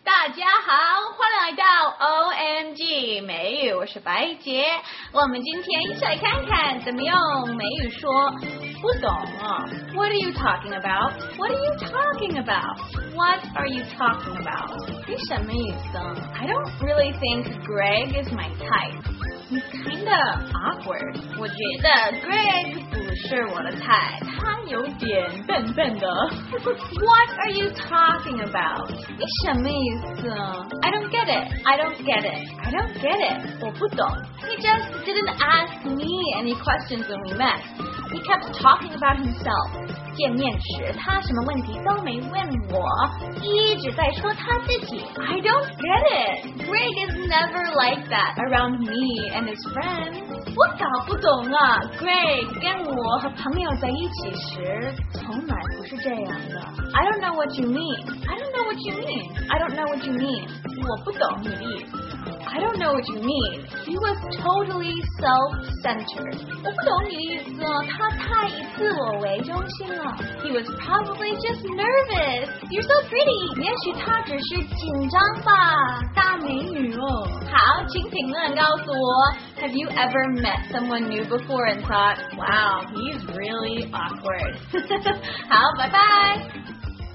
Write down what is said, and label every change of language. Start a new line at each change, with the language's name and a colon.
Chinese: 家好，欢迎来到 OMG 美语，我是白杰。我们今天一起来看看怎么用美语说不懂啊。
English: What are you talking about? What are you talking about? What are you talking about?
Chinese: 你什么意思？
English: I don't really think Greg is my type. He's kind of awkward.
Chinese: 我觉得 Greg是我的菜，他有点笨笨的。
English: What are you talking about?
Chinese: 你什么意思？
English: I don't get it. I don't get it. I don't get it.
Chinese: 我不懂。
English: He just didn't ask me any questions when we met. He kept talking about himself.
Chinese: 见面时，他什么问题都没问我，一直在说他自己。
English: I don't get it. Greg is never like that around me and his friends.
Chinese: 我搞不懂啊 ，Greg 跟我和朋友在一起时，从来不是这样的。
English: I don't know what you mean. I don't know what you mean. I don't know what you mean.
Chinese: 我不懂你的意思。
English: I don't know what you mean. He was totally self-centered.
Chinese: 我不懂你的意思，他太以自我为中心了。
English: He was probably just nervous. You're so pretty.
Chinese: 也许他只是紧张吧，大美女哦。好，请评论告诉我。
English: Have you ever met someone new before and thought, wow, he's really awkward?
Chinese: 好，拜拜。